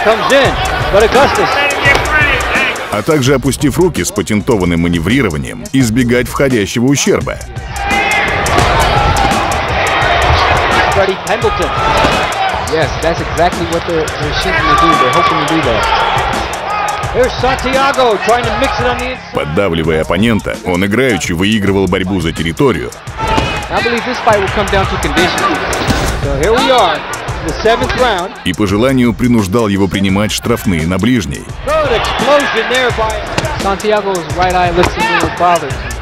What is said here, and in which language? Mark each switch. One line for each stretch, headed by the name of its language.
Russian: А также, опустив руки с патентованным маневрированием, избегать входящего ущерба.
English: Yes, that's exactly what they're seeking to do. They're hoping to do that. Here's Santiago trying to mix it on the inside.
Russian: Поддавливая оппонента, он играючи выигрывал борьбу за территорию.
English: I believe this fight will come down to condition. So here we are. the seventh round.
Russian: И по желанию принуждал его принимать штрафные на ближней.
English: Good explosion there by Santiago's right eye looks a little bothered.